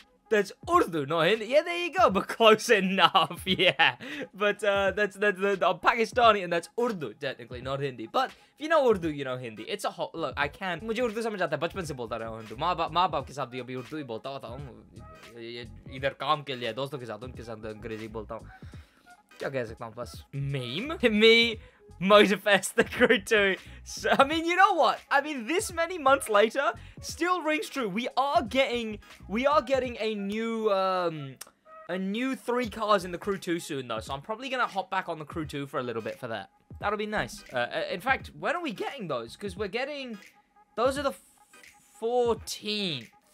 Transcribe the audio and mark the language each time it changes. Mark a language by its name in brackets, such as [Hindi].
[English] That's Urdu, not Hindi. Yeah, there you go, but close enough, yeah. But that's Pakistani, and that's Urdu, technically, not Hindi. But if you know Urdu, you know Hindi. It's a whole, look, I can. [Urdu] مجھے اردو سمجھ آتا ہے، بچپن سے بولتا رہا اردو۔ ماں باپ کے ساتھ بھی اردو ہی بولتا ہوتا ہوں۔ ادھر کام کے لیے، دوستوں کے ساتھ، ان کے ساتھ انگریزی بولتا ہوں۔ کیا کہہ سکتا ہوں بس؟ [English] Meme? Me. Motorfest, the Crew 2. So, I mean, you know what? I mean, this many months later, still rings true. We are getting a new 3 cars in the Crew 2 soon, though. So I'm probably going to hop back on the Crew 2 for a little bit for that. That'll be nice. In fact, when are we getting those? Because we're getting... Those are the 14th.